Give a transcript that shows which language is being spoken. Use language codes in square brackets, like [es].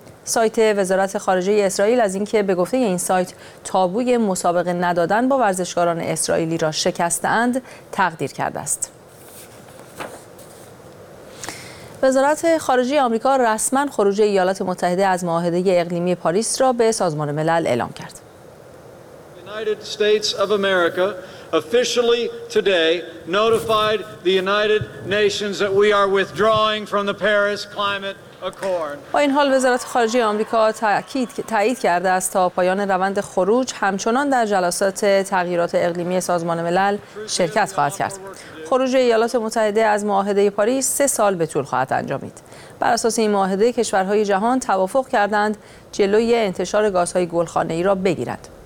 [fa] سایت وزارت خارجه اسرائیل از اینکه به گفته این سایت تابوی مسابقه ندادن با ورزشکاران اسرائیلی را شکستند تقدیر کرده است. وزارت خارجه آمریکا رسما خروج ایالات متحده از معاهده اقلیمی پاریس را به سازمان ملل اعلام کرد. [en] United States of America officially today notified the United Nations that we are withdrawing from the Paris Climate Accord. [fa] با این حال وزارت خارجه آمریکا تأیید کرده است تا پایان روند خروج همچنان در جلسات تغییرات اقلیمی سازمان ملل شرکت خواهد کرد. خروج ایالات متحده از معاهده پاریس 3 سال به طول خواهد انجامید. بر اساس این معاهده کشورهای جهان توافق کردند جلوی انتشار گازهای گلخانه‌ای را بگیرند.